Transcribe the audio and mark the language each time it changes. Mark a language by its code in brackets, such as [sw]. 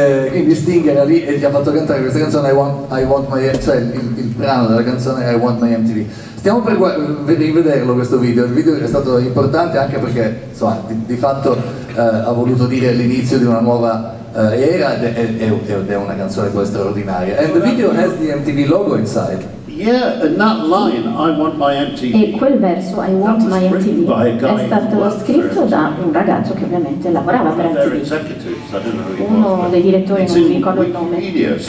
[it] Quindi Sting era lì e gli ha fatto cantare questa canzone I want my MTV, cioè il brano della canzone I want my MTV. Stiamo per rivederlo questo video. Il video è stato importante anche perché, insomma, di fatto ha voluto dire l'inizio di una nuova era, ed è una canzone poi straordinaria. [en] And the video has the MTV logo inside. Yeah, and that line, I want my MTV. [it] E quel verso, I want my MTV, è stato scritto da un ragazzo che ovviamente lavorava per MTV. Uno dei direttori, non mi ricordo il nome.